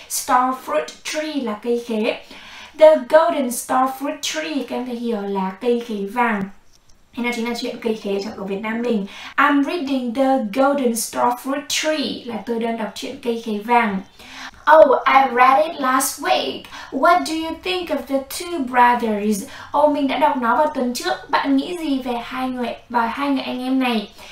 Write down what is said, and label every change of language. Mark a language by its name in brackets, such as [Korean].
[Vietnamese] Starfruit tree là cây khế. The Golden Starfruit Tree, các em có thể hiểu là cây khế vàng. Thế nào chính là chuyện cây khế trong của Việt Nam mình. [English] I'm reading the Golden Starfruit Tree, [Vietnamese] là tôi đang đọc chuyện cây khế vàng. [English] Oh, I read it last week. What do you think of the two brothers? [Vietnamese] Oh, mình đã đọc nó vào tuần trước. Bạn nghĩ gì về hai người anh em này?